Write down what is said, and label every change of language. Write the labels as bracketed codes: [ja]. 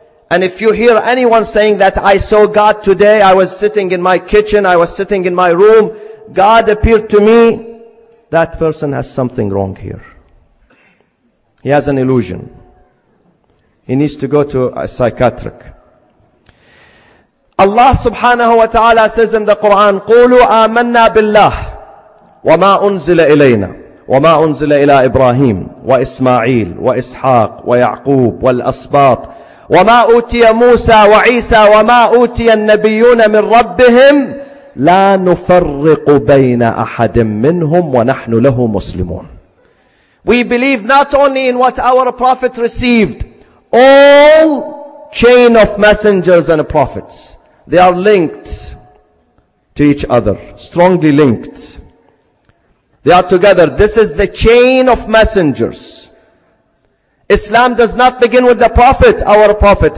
[en] And if you hear anyone saying that I saw God today, I was sitting in my kitchen, I was sitting in my room, God appeared to me, that person has something wrong here. He has an illusion. He needs to go to a psychiatric. Allah subhanahu wa ta'ala says in the Quran, [ar] قُولُوا آمَنَّا بِاللَّهِ وَمَا أُنزِلَ إِلَيْنَا وَمَا أُنزِلَ إِلَىٰ إِبْرَاهِيمِ وَإِسْمَاعِيلِ وَإِسْحَاقِ وَيَعْقُوبِ وَالْأَسْبَاطِ وَمَا أُوتِيَ مُوسَى وَعِيسَى وَمَا أُوتِيَ النَّبِيُّونَ مِنْ رَبِّهِمْ لَا نُفَرِّقُ بَيْنَ أَحَدٍ مِّنْهُمْ وَنَحْنُ لَهُ مُسْلِمُونَ. [en] We believe not only in what our prophet received. All chain of messengers and prophets, they are linked to each other, strongly linked. They are together. This is the chain of messengers. Islam does not begin with the Prophet, our Prophet.